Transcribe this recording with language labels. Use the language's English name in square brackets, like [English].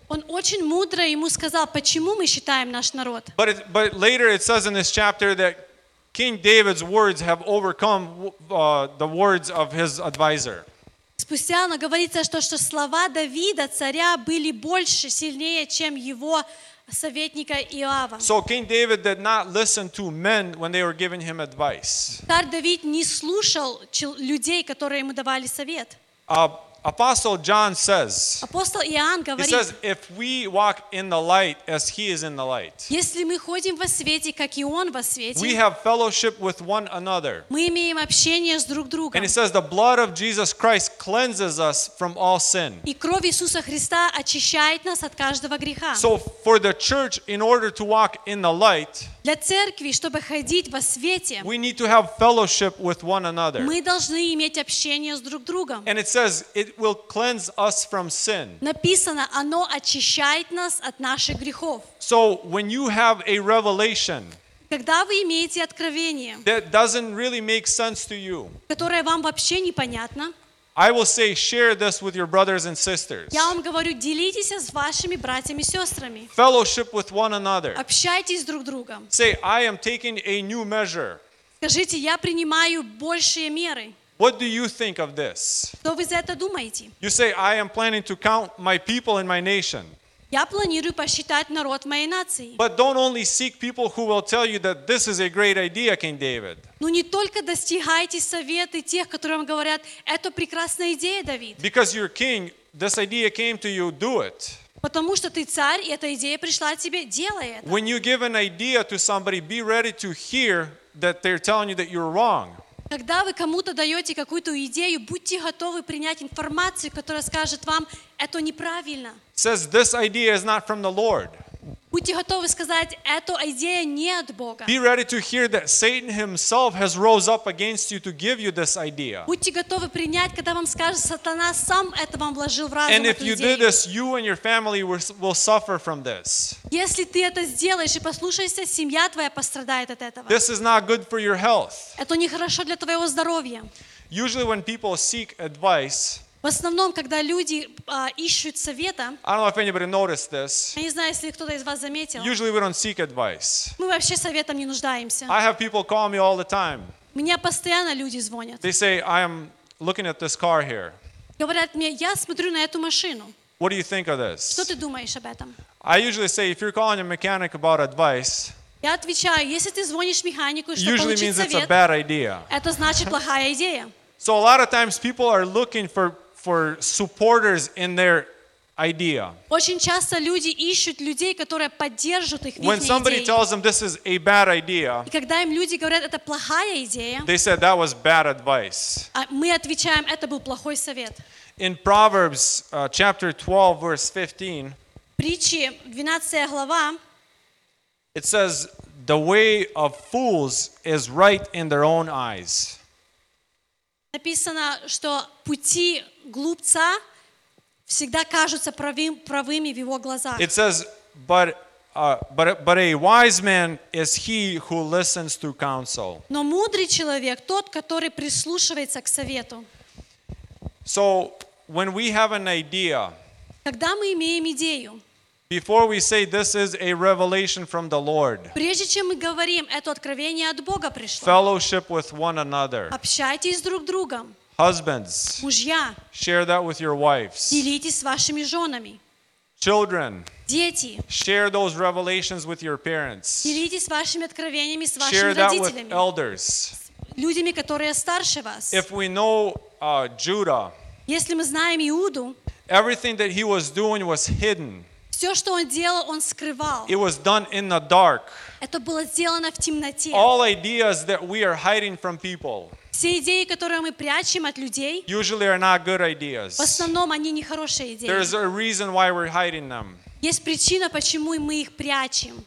[Russian] Он очень мудро ему сказал, почему мы считаем наш народ? [English] But later it says in this chapter that King David's words have overcome the words of his advisor. [Russian] Спустя оно говорится, что слова Давида, царя, были больше, сильнее, чем его советника Иоава. [English] So King David did not listen to men when they were giving him advice. [Russian] Царь Давид не слушал людей, которые ему давали совет. [English] Apostle John says, [Russian] Апостол Иоанн говорит, [English] he says, if we walk in the light as he is in the light, [Russian] если мы ходим во свете, как и он во свете, [English] we have fellowship with one another. [Russian] Мы имеем общение с друг другом. [English] And he says, the blood of Jesus Christ cleanses us from all sin. [Russian] И кровь Иисуса Христа очищает нас от каждого греха. [English] So for the church, in order to walk in the light, [Russian] для церкви, чтобы ходить во свете, [English] we need to have fellowship with one another. [Russian] Мы должны иметь общение с друг другом. [English] And it says, it will cleanse us from sin. [Russian] Написано, оно очищает нас от наших грехов. [English] So when you have a revelation, [Russian] когда вы имеете откровение, [English] that doesn't really make sense to you, [Russian] которое вам вообще непонятно, [English] I will say, share this with your brothers and sisters. [Russian] Я вам говорю, делитесь с вашими братьями и сестрами. [English] Fellowship with one another. [Russian] Общайтесь друг с другом. [English] Say, I am taking a new measure. [Russian] Скажите, я принимаю большие меры. [English] What do you think of this? [Russian] Что вы за это думаете? [English] You say, I am planning to count my people in my nation. [Russian] Я планирую посчитать народ моей нации. [English] But don't only seek people who will tell you that this is a great idea, King David. [Russian] Ну не только достигайте советы тех, которым говорят, это прекрасная идея, Давид. [English] Because you're king, this idea came to you, do it. [Russian] Потому что ты царь, и эта идея пришла тебе, делай это. [English] When you give an idea to somebody, be ready to hear that they're telling you that you're wrong. [Russian] Когда вы кому-то даете какую-то идею, будьте готовы принять информацию, которая скажет вам, это неправильно. [English] Says, this idea is not from the Lord. [Russian] Будьте готовы сказать, эта идея не от Бога. [English] Be ready to hear that Satan himself has rose up against you to give you this idea. [Russian] Будьте готовы принять, когда вам скажет, сатана сам это вам вложил в разум эту идею. [English] And if you do this, you and your family will suffer from this. [Russian] Если ты это сделаешь и послушаешься, семья твоя пострадает от этого. [English] This is not good for your health. [Russian] Это нехорошо для твоего здоровья. [English] Usually when people seek advice, [Russian] в основном, когда люди ищут совета, [English] I don't know if anybody noticed this, [Russian] я не знаю, если кто-то из вас заметил, [English] usually we don't seek advice. [Russian] Мы вообще советом не нуждаемся. [English] I have people call me all the time. [Russian] Меня постоянно люди звонят. [English] They say, I am looking at this car here. [Russian] Говорят мне, я смотрю на эту машину. [English] What do you think of this? [Russian] Что ты думаешь об этом? [English] I usually say, if you're calling a mechanic about advice, [Russian] я отвечаю, если ты звонишь механику, чтобы [English] usually [Russian] получить [English] means [Russian] совет, [English] it's a bad idea. [Russian] Это значит плохая идея. [English] So a lot of times people are looking for supporters in their idea. [Russian] Очень часто люди ищут людей, которые поддержат их в идее. [English] When somebody tells them this is a bad idea, [Russian] и когда им люди говорят, это плохая идея, [English] they said that was bad advice. [Russian] Мы отвечаем, это был плохой совет. [English] In Proverbs chapter 12 verse 15, [Russian] притчи 12 глава, [English] it says the way of fools is right in their own eyes. [Russian] Написано, что пути глупца всегда кажутся правыми в его глазах. [English] It says, but a wise man is he who listens to counsel. [Russian] Но мудрый человек тот, который прислушивается к совету. [English] So when we have an idea, [Russian] когда мы имеем идею, [English] before we say this is a revelation from the Lord, [Russian] прежде чем мы говорим, это откровение от Бога пришло. [English] Fellowship with one another. [Russian] Общайтесь друг с другом. [English] Husbands, [Russian] мужья, [English] share that with your wives. [Russian] Делитесь с вашими женами. [English] Children, [Russian] дети, [English] share those revelations with your parents. [Russian] Делитесь вашими откровениями с вашими [English] share [Russian] родителями. [English] That with elders. [Russian] Людьми, которые старше вас. [English] If we know Judah, [Russian] если мы знаем Иуду, [English] Everything that he was doing was hidden. [Russian] Все, что он делал, он скрывал. [English] It was done in the dark. [Russian] Это было сделано в темноте. [English] All ideas that we are hiding from people. [Russian] Все идеи, которые мы прячем от людей. [English] Usually are not good ideas. [Russian] В основном они не хорошие идеи. [English] There is a reason why we're hiding them. [Russian] Есть причина, почему мы их прячем.